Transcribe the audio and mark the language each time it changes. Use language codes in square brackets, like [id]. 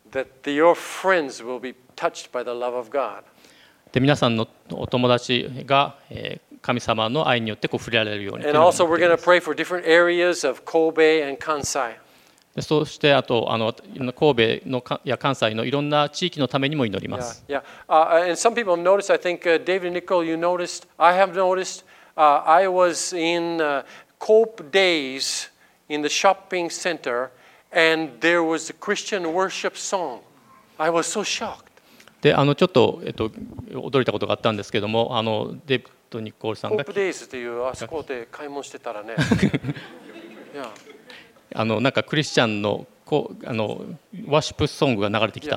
[ja] で皆さんのお友達が神様の愛によってこう触れられるようにというふうに思っています。 [en] And also [ja] でそしてあと神戸のや関西のいろんな地域のためにも祈ります。 [en] Yeah, yeah. And some people have noticed. I think David and Nicole, you noticed. I have noticed. I was in Cope Days in the shopping center and there was a Christian worship song. I was so shocked. [ja] で、ちょっと、驚いたことがあったんですけども、デビッド・ニコールさんが Cope Days っていうあそこで買い物してたらね。 [en] yeah. [ja] なんかクリスチャンのこう、ワシップソングが流れてきた。